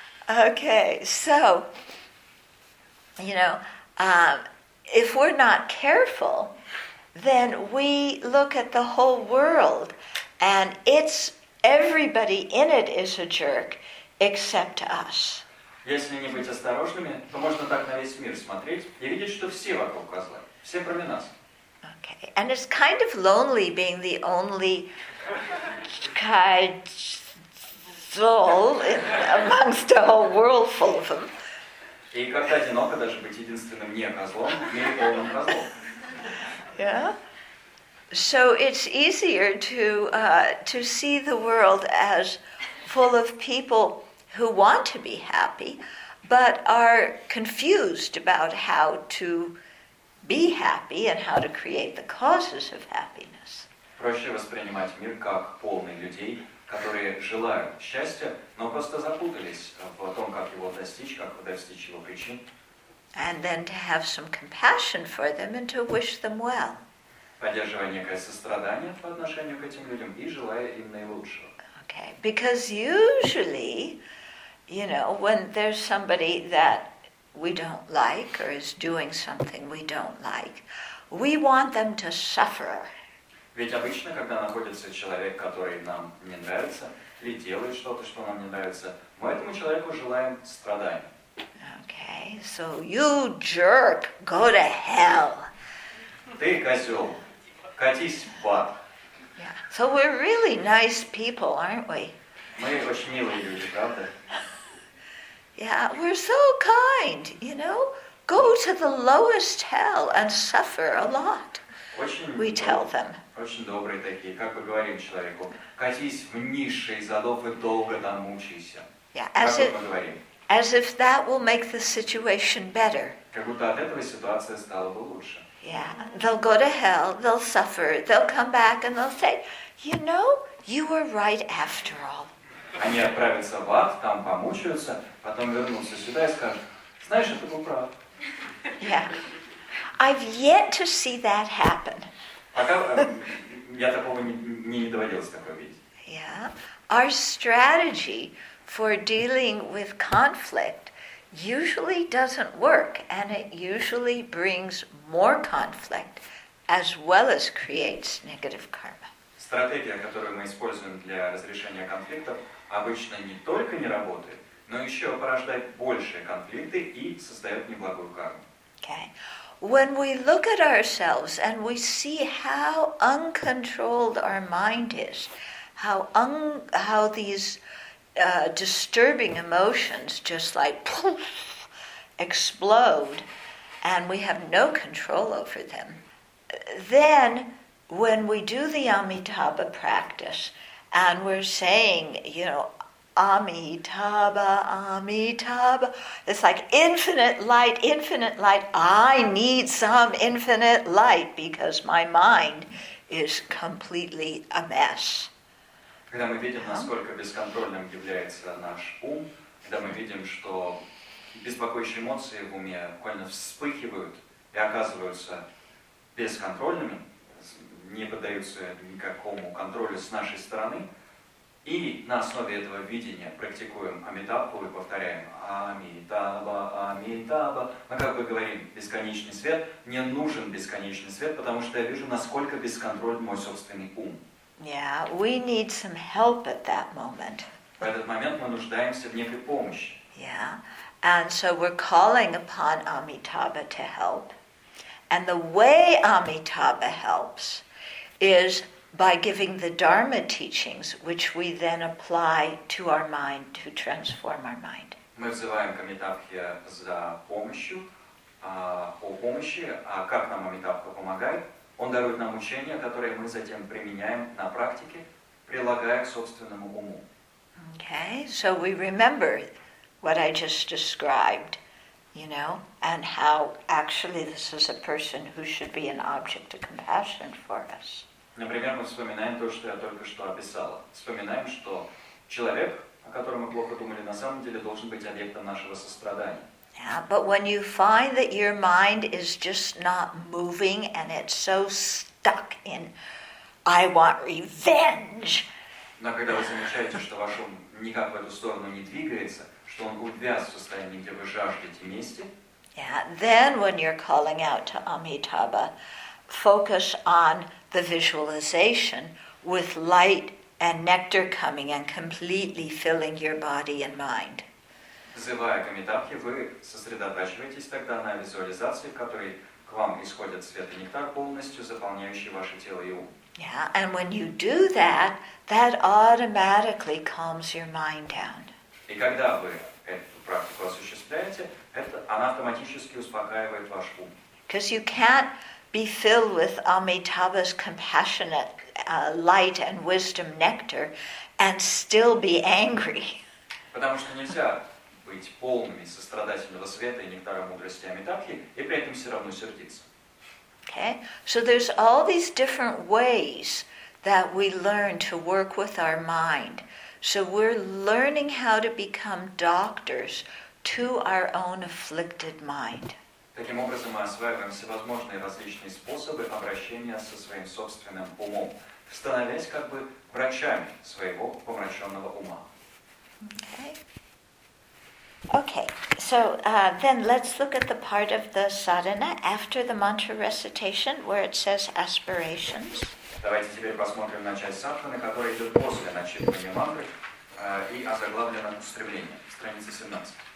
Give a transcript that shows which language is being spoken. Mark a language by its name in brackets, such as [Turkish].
[English] Okay, so, you know, if we're not careful, then we look at the whole world and it's everybody in it is a jerk except us. [Russian] Если не быть осторожными, то можно так на весь мир смотреть и видеть, что все вокруг козлы, все кроме нас. [English] Okay. And it's kind of lonely being the only [Russian] козёл [English] amongst the whole world full of them. [Russian] И как-то одиноко даже быть единственным не козлом в мире полном козлов. [English] Yeah. So it's easier to see the world as full of people who want to be happy, but are confused about how to be happy and how to create the causes of happiness. [Russian] Проще воспринимать мир как полный людей, которые желают счастья, но просто запутались в том, как его достичь, как достичь его причин. [English] And then to have some compassion for them and to wish them well. [Russian] Поддерживая некое сострадание по отношению к этим людям и желая им наилучшего. [English] Okay, because usually, you know, when there's somebody that we don't like or is doing something we don't like, we want them to suffer. [Russian] Ведь обычно, когда находится человек, который нам не нравится, или делает что-то, что нам не нравится, мы этому человеку желаем страдания. [English] Okay, so you jerk, go to hell. [Russian] Ты козёл, катись в ад. [English] Yeah. So we're really nice people, aren't we? [Russian] Мы очень милые люди, правда? [English] Yeah, we're so kind, you know? Go to the lowest hell and suffer a lot, we tell them. [Russian] Очень добрые такие, как мы говорим человеку, катись в низшие из адов и долго там мучайся. [English] Yeah, as it, as if that will make the situation better. [Russian] Как будто от этого ситуация стала бы лучше. [English] Yeah, they'll go to hell, they'll suffer, they'll come back and they'll say, you know, you were right after all. [Russian] Они отправятся в ад, там помучаются, потом вернутся сюда и скажут, знаешь, это был прав. [English] Yeah. I've yet to see that happen. [Russian] Пока я такого не доводилось такого видеть. [English] Yeah. Our strategy for dealing with conflict usually doesn't work, and it usually brings more conflict as well as creates negative karma. [Russian] Стратегия, которую мы используем для разрешения конфликтов, обычно не только не работает, но ещё порождает большие конфликты и создаёт неблагую карму. [English] Okay. When we look at ourselves and we see how uncontrolled our mind is, how these disturbing emotions just like poof, explode and we have no control over them, then when we do the Amitabha practice and we're saying, you know, Amitabha, Amitabha, it's like infinite light, I need some infinite light because my mind is completely a mess. [Russian] Когда мы видим, насколько бесконтрольным является наш ум, когда мы видим, что беспокоящие эмоции в уме буквально вспыхивают и оказываются бесконтрольными, не поддаются никакому контролю с нашей стороны, и на основе этого видения практикуем Амитабху и повторяем Амитабха, Амитабха, мы как бы говорим, бесконечный свет, мне нужен бесконечный свет, потому что я вижу, насколько бесконтроль мой собственный ум. [English] Yeah, we need some help at that moment. [Russian] В этот момент мы нуждаемся в некой помощи. [English] Yeah, and so we're calling upon Amitabha to help. And the way Amitabha helps is by giving the Dharma teachings, which we then apply to our mind to transform our mind. [Russian] Мы взываем к Амитабхе за помощью, о помощи, а как нам Амитабха помогает? Он дарует нам учения, которые мы затем применяем на практике, прилагая к собственному уму. [English] Okay, so we remember what I just described, you know, and how actually this is a person who should be an object of compassion for us. [Russian] Например, мы вспоминаем то, что я только что описала. Вспоминаем, что человек, о котором мы плохо думали, на самом деле должен быть объектом нашего сострадания. [English] Yeah, but when you find that your mind is just not moving and it's so stuck in I want revenge. [Russian] Но когда вы замечаете, что ваш ум никак в эту сторону не двигается, что он увяз в состоянии, где вы жаждете мести. [English] Yeah, then when you're calling out to Amitabha, focus on the visualization with light and nectar coming and completely filling your body and mind. [Russian] Взывая к Амитабхе, вы сосредотачиваетесь тогда на визуализации, в которой к вам исходят свет и нектар, полностью заполняющий ваше тело и ум. [English] Yeah, and when you do that, that automatically calms your mind down. [Russian] И когда вы эту практику осуществляете, она автоматически успокаивает ваш ум. [English] Because you can't be filled with Amitabha's compassionate light and wisdom nectar and still be angry. [Russian] Потому что нельзя быть полными сострадательного света и нектара мудрости Амитабхи и при этом все равно сердиться. [English] Okay, so there's all these different ways that we learn to work with our mind. So we're learning how to become doctors to our own afflicted mind. [Russian] Таким образом, мы осваиваем всевозможные различные способы обращения со своим собственным умом, становясь как бы врачами своего помраченного ума. [English] Okay. Okay, so then let's look at the part of the sadhana after the mantra recitation where it says aspirations. [Russian] Давайте теперь посмотрим на часть садханы, которая идет после начитывания мантры и озаглавлена устремление, страница 17.